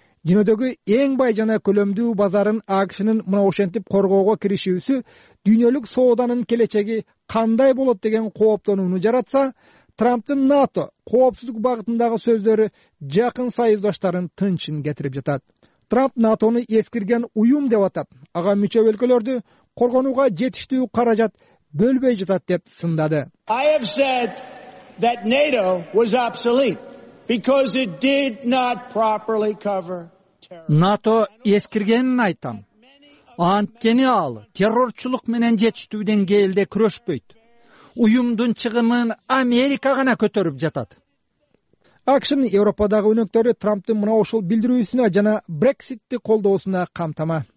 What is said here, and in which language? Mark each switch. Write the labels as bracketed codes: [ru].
[ky] Дүйнөдөгү эң бай жана көлөмдүү базарын АКШнын мына ошентип коргоого киришүүсү дүйнөлүк сооданын келечеги кандай болот деген кооптонууну жаратса, Трамптын НАТО коопсуздук багытындагы сөздөрү жакын союздаштарын тынчын кетирип жатат. Трамп НАТОну эскирген уюм деп атап, ага мүчө өлкөлөрдү коргонууга жетиштүү каражат бөлбөй жатат деп сындады. [en] I have said that NATO was obsolete. Because it did not properly cover terror. [ky] НАТО эскиргенин айтам. Анткени ал террорчулук менен жетиштүү деңгээлде күрөшпөйт. Уюмдун чыгымын Америка гана көтөрүп жатат. АКШнын Европадагы өнөктөрү Трамптын мына ушул билдирүүсүнө жана Brexitти колдоосуна камтама.